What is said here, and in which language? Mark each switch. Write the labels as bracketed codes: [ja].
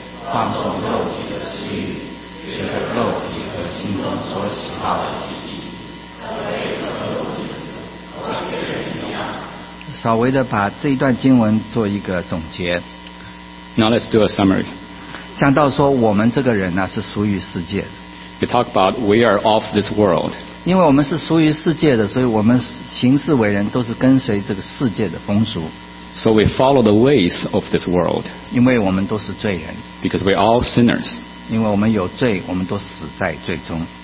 [zh] 放纵肉体的私欲随着肉体和心中所喜好的稍微的把这一段经文做一个总结。 [en] Now let's do a summary. [zh] 讲到说我们这个人呢、是属于世界的。 [en] We talk about we are of this world. [zh] 因为我们是属于世界的，所以我们行事为人都是跟随这个世界的风俗。 [en] So we follow the ways of this world. [zh] 因为我们都是罪人。 [en] Because we are all sinners. [zh] 因为我们有罪，我们都死在罪中。